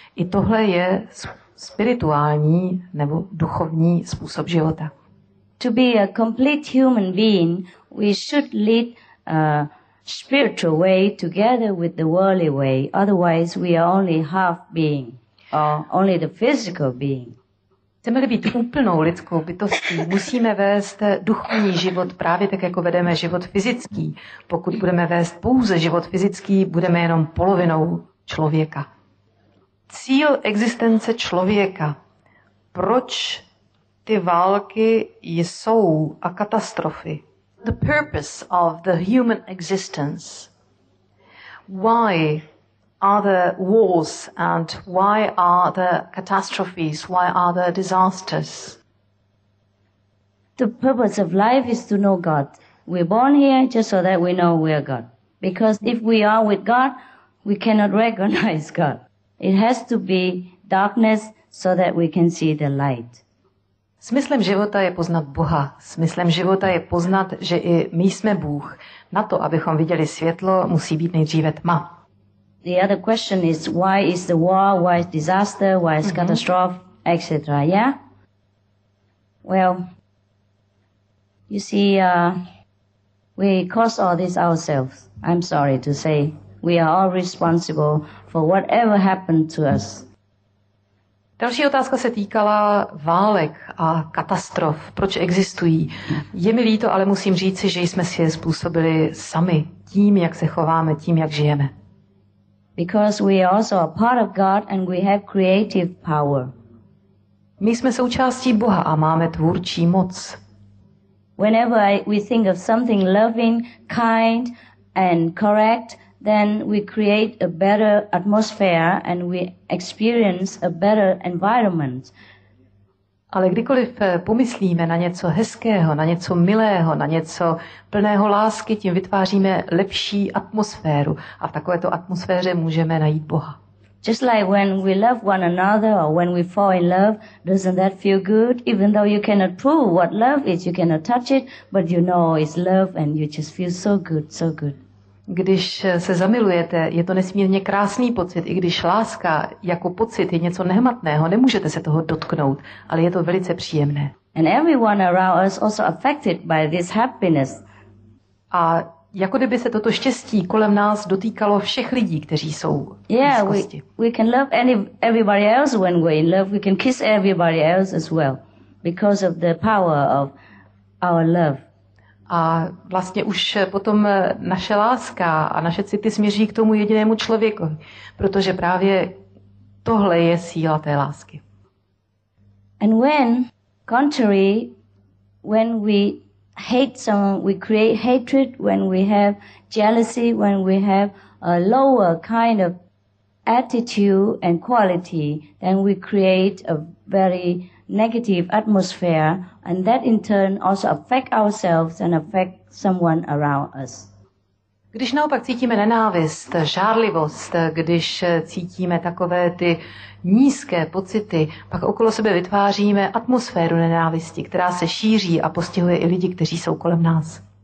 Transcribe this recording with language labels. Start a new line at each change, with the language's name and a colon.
Czech: I tohle je spirituální nebo duchovní způsob života.
English: To be a complete human being, we should lead spiritual way together with the worldly way, otherwise we are only half being, or only the physical being.
Czech: Chceme-li být úplnou lidskou bytostí, musíme vést duchovní život právě tak, jako vedeme život fyzický. Pokud budeme vést pouze život fyzický, budeme jenom polovinou člověka. Cíl existence člověka. Proč ty války jsou a katastrofy?
English: The purpose of the human existence. Why are there wars and why are there catastrophes? Why are there disasters? The purpose of life is to know God. We're born here just so that we know we are God. Because if we are with God, we cannot recognize God. It has to be darkness so that we can see the light.
Czech: Smyslem života je poznat Boha. Smyslem života je poznat, že i my jsme Bůh. Na to, abychom viděli světlo, musí být nejdříve tma.
English: The other question is why is the war, why is disaster, why is catastrophe, etc. Yeah? Well, you see, we cause all this ourselves. I'm sorry to say, we are all responsible for whatever happened to us.
Czech: Další otázka se týkala válek a katastrof. Proč existují? Je mi líto, ale musím říci, že jsme si je způsobili sami tím, jak se chováme, tím, jak žijeme.
English: Because we are also a part of God and we have creative power.
Czech: My jsme součástí Boha a máme tvůrčí moc.
English: Whenever we think of something loving, kind and correct, then we create a better atmosphere and we experience a better environment.
Czech: Ale kdykoliv pomyslíme na něco hezkého, na něco milého, na něco plného lásky, tím vytváříme lepší atmosféru a v takovéto atmosféře můžeme najít Boha.
English: Just like when we love one another or when we fall in love, doesn't that feel good? Even though you cannot prove what love is, you cannot touch it, but you know it's love and you just feel so good, so good.
Czech: Když se zamilujete, je to nesmírně krásný pocit, i když láska jako pocit je něco nehmatného, nemůžete se toho dotknout, ale je to velice příjemné.
English: And everyone around us also affected by this happiness.
Czech: A jako kdyby se toto štěstí kolem nás dotýkalo všech lidí, kteří jsou v blízkosti.
English: Yeah, we can love everybody else when we're in love. We can kiss everybody else as well because of the power of our love.
Czech: A vlastně už potom naše láska a naše city směří k tomu jedinému člověku, protože právě tohle je síla té lásky.
English: And when, contrary, when we hate someone, we create hatred, when we have jealousy, when we have a lower kind of attitude and quality, then we create a very negative atmosphere, and that in turn also affect ourselves and affect someone around us.
Czech: Když naopak cítíme nenávist, žárlivost, když cítíme takové ty nízké pocity, pak okolo sebe vytváříme atmosféru nenávisti, která se šíří a postihuje i lidi, kteří jsou kolem nás.